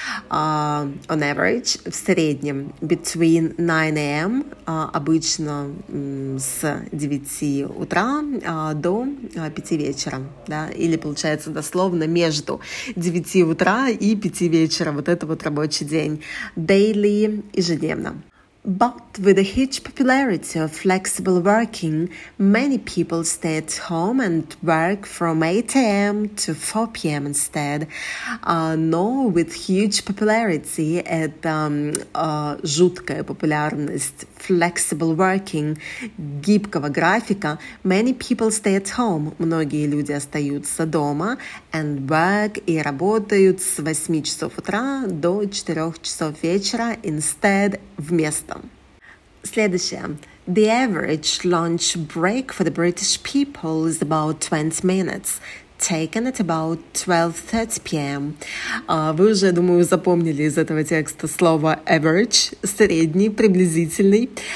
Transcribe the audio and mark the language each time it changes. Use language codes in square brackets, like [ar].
[en] On average — [ru] в среднем. [en] Between 9 a.m. [ru] Обычно с 9 утра до 5 вечера. Да? Или, получается, дословно между 9 утра и 5 вечера. Вот это вот рабочий день. Daily — ежедневно. [en] But with the huge popularity of flexible working, many people stay at home and work from 8 a.m. to 4 p.m. instead. [ru] Но [en] with huge popularity, [ru] это жуткая популярность [en] flexible working, [ru] гибкого графика, [en] many people stay at home, [ru] многие люди остаются дома, [en] and work, [ru] и работают с 8 часов утра до 4 часов вечера [en] instead, [ru] вместо. Следующее. [en] The average lunch break for the British people is about 20 minutes, taken at about 12:30 p.m. [ru] Вы уже, думаю, запомнили из этого текста слово average, средний, приблизительный.